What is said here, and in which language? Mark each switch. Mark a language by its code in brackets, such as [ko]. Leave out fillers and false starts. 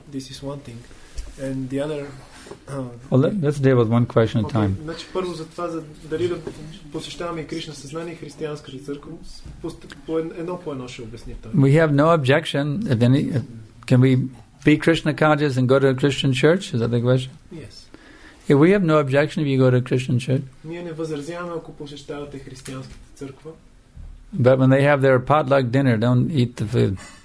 [en] This is one thing, and the other. Let's deal with one question at a time. [bg] Значи първо за това, за дали да посещаваме Кришна съзнание и християнската църква, по едно ще обясни това. [en] We have no objection. Can we be Krishna conscious and go to a Christian church? Is that the question? Yes. If we have no objection if you go to a Christian church. [bg] Ние не възразяваме, ако посещавате християнската църква. [en] But when they have their potluck dinner, don't eat the food.